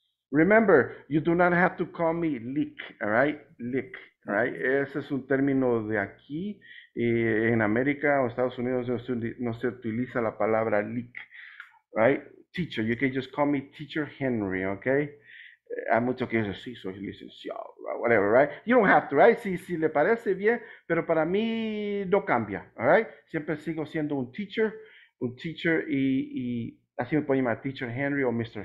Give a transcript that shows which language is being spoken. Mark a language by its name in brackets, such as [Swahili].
[English] Remember, you do not have to call me Lick. All right. Lick. Right. [Spanish] Ese es un término de aquí, en América o Estados Unidos no se utiliza la palabra leak, right? [English] Teacher, you can just call me Teacher Henry, okay? [Spanish] Hay muchos que dicen, sí, soy licenciado, whatever, right? You don't have to, right? Si le parece bien, pero para mí no cambia, all right? Siempre sigo siendo un teacher y así me pueden llamar Teacher Henry o Mr.